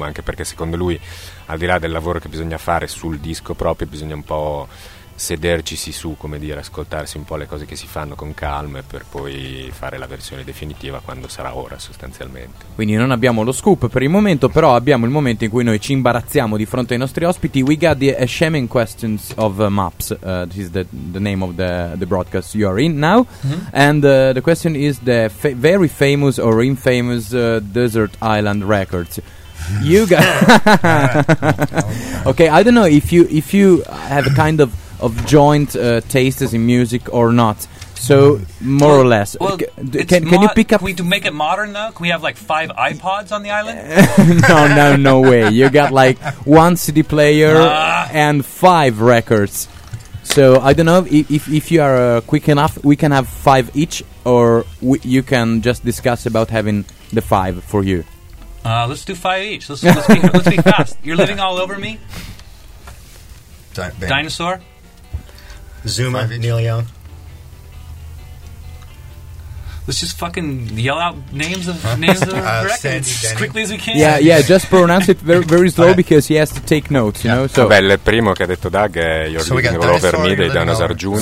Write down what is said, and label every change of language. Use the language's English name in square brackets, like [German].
[Italian] Anche perché secondo lui, al di là del lavoro che bisogna fare sul disco proprio, bisogna un po' sedercisi su, come dire, ascoltarsi un po' le cose che si fanno con calma per poi fare la versione definitiva quando sarà ora sostanzialmente. Quindi non abbiamo lo scoop per il momento, però abbiamo il momento in cui noi ci imbarazziamo di fronte ai nostri ospiti. [English] We got the shaming questions of Maps, this is the name of the broadcast you are in now. Mm-hmm. And the question is the very famous or infamous Desert Island Records. You got okay, I don't know if you have a kind of joint tastes in music or not. So, more or less. Well, can you pick up... Can we make it modern, though? Can we have, like, 5 iPods on the island? no way. You got, like, 1 CD player and 5 records. So, I don't know if you are quick enough, we can have 5 each, or you can just discuss about having the 5 for you. Let's do 5 each. Let's be fast. You're living all over me? Dinosaur? Zuma, Neil Young. Let's just fucking yell out names of records as quickly as we can. Yeah, just pronounce it very, very slow because he has to take notes, you know. So. [Italian] Vabbè, il primo che ha detto Doug è You're Living All Over Me dei Dinosaur Jr.